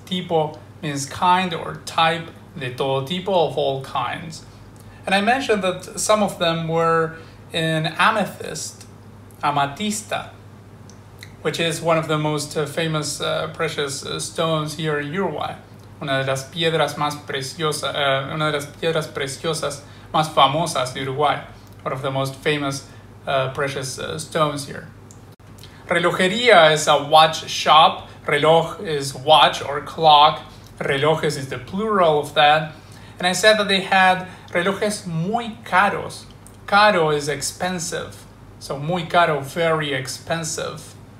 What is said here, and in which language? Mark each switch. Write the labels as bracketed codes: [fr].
[en] Tipo means kind or type, [es] de todo tipo, [en] of all kinds. And I mentioned that some of them were in amethyst, amatista, which is one of the most famous precious stones here in Uruguay. [es] Una de las piedras preciosas más famosas de Uruguay. [en] One of the most famous precious stones here. Relojería is a watch shop. Reloj is watch or clock. Relojes is the plural of that. And I said that they had [es] relojes muy caros. [en] Caro is expensive. So [es] muy caro, [en] very expensive.